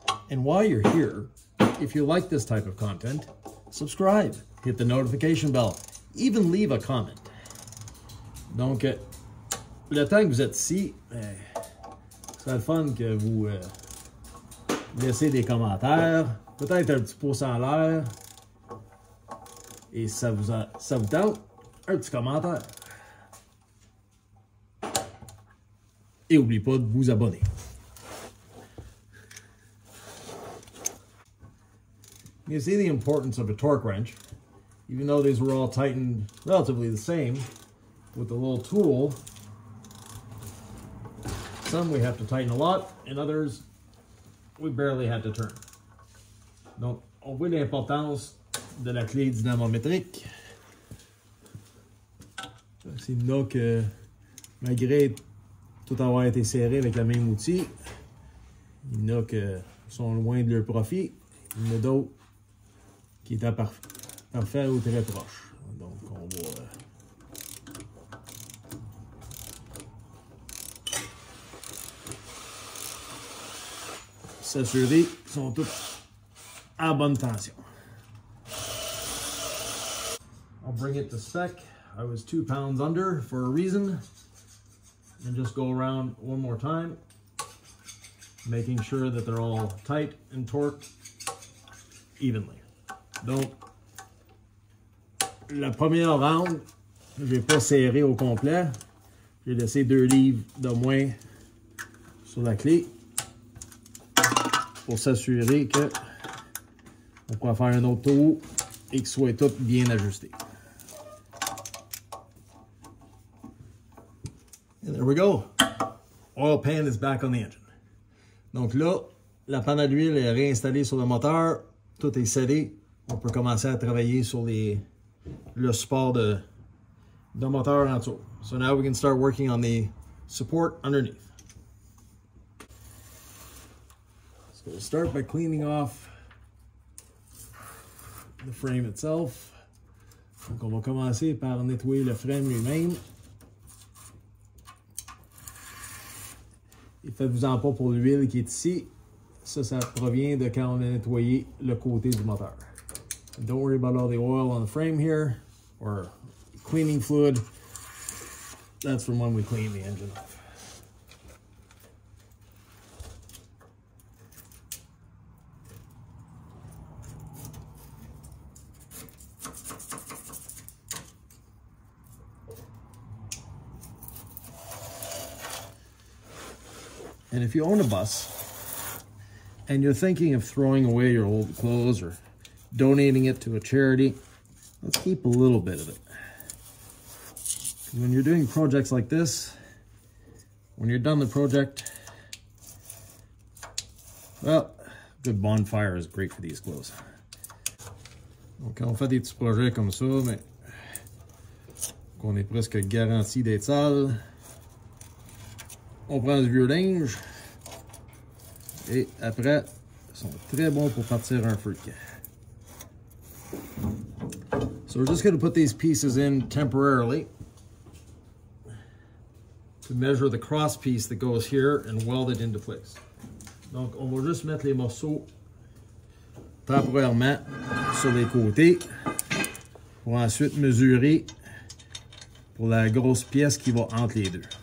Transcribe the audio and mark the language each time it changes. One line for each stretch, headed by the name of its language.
English: And while you're here, if you like this type of content, subscribe, hit the notification bell, even leave a comment.
French: Donc, le temps que vous êtes ici, c'est le fun que vous laissez des commentaires, peut-être un petit pouce en l'air, et ça vous tente, un petit commentaire. Et n'oubliez pas de vous abonner.
English: You see the importance of a torque wrench. Even though these were all tightened relatively the same with the little tool, some we have to tighten a lot, and others we barely had to turn.
French: Donc, on voit l'importance de la clé dynamométrique. C'est là que, malgré tout avoir été serré avec le même outil, il y en a qui sont loin de leur profit, il y en a d'autres qui est parfait ou très proche. Donc, on va... s'assurer qu'ils sont tous à bonne tension.
English: I'll bring it to spec. I was 2 pounds under for a reason. And just go around one more time, making sure that they're all tight and torqued evenly.
French: Donc, la première round, je n'ai pas serré au complet. J'ai laissé 2 livres de moins sur la clé pour s'assurer qu'on pourra faire un autre tour et qu'il soit tout bien ajusté.
English: And there we go. Oil pan is back on the engine.
French: Donc là, la panne à l'huile est réinstallée sur le moteur. Tout est scellé. On peut commencer à travailler sur le support de moteur en dessous.
English: So now we can start working on the support underneath. So we'll start by cleaning off the frame itself.
French: Donc on va commencer par nettoyer le frame lui-même. Et faites-vous-en pas pour l'huile qui est ici. Ça provient de quand on a nettoyé le côté du moteur.
English: Don't worry about all the oil on the frame here, or cleaning fluid. That's from when we clean the engine off. And if you own a bus, and you're thinking of throwing away your old clothes or donating it to a charity, let's keep a little bit of it. When you're doing projects like this, when you're done the project, well, good bonfire is great for these clothes.
French: Donc, quand on fait des petits projets comme ça, mais qu'on est presque garanti d'être sale, on prend du vieux linge et après, ils sont très bons pour partir un feu de camp.
English: So we're just going to put these pieces in temporarily to measure the cross piece that goes here and weld it into place.
French: Donc, on va juste mettre les morceaux temporairement sur les côtés pour ensuite mesurer pour la grosse pièce qui va entre les deux.